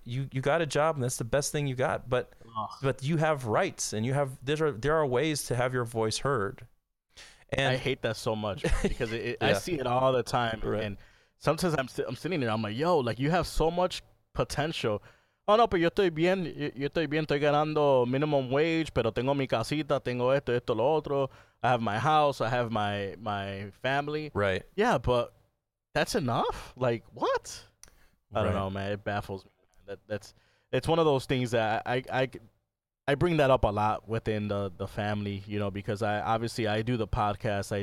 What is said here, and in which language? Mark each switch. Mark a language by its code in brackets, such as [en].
[en] You got a job and that's the best thing you got, but you have rights and you have, there are ways to have your voice heard. And I hate that so much because yeah. I see it all the time. Right. And sometimes I'm sitting there, I'm like, yo, like, you have so much potential. [es] Oh no, pero yo estoy bien, estoy ganando minimum wage, pero tengo mi casita, tengo esto, lo otro. [en] I have my house, I have my family. Right. Yeah, but that's enough? Like, what? Right. I don't know, man. It baffles me. It's one of those things that I bring that up a lot within the family, you know, because I do the podcast.